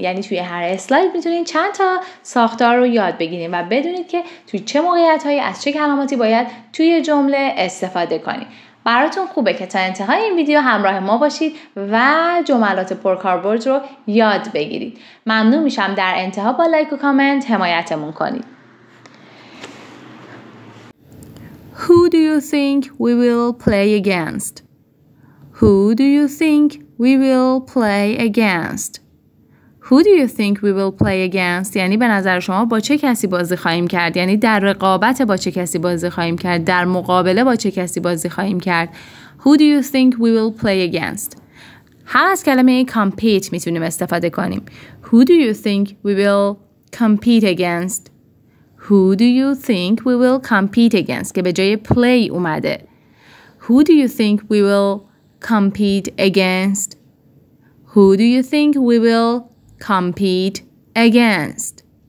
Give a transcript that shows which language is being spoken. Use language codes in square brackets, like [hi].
[fa] یعنی توی هر اسلاید میتونین چند تا ساختار رو یاد بگیرین و بدونید که توی چه موقعیت‌هایی از چه کلماتی باید توی جمله استفاده کنین. براتون خوبه که تا انتهای این ویدیو همراه ما باشید و جملات پرکاربرد رو یاد بگیرید. ممنون میشم در انتها با لایک و کامنت حمایتمون کنید. [en] Who do you think we will play against? Who do you think we will play against? Who do you think we will play against? [fa] یعنی به نظر شما با چه کسی بازی خواهیم کرد؟ یعنی در رقابت با چه کسی بازی خواهیم کرد؟ در مقابله با چه کسی بازی خواهیم کرد؟ [en] Who do you think we will play against? [fa] هر از کلمه compete میتونیم استفاده کنیم. [en] Who do you think we will compete against? Who do you think we will compete against? [fa] که به جای play اومده. [en] Who do you think we will compete against? Who do you think we will compete against?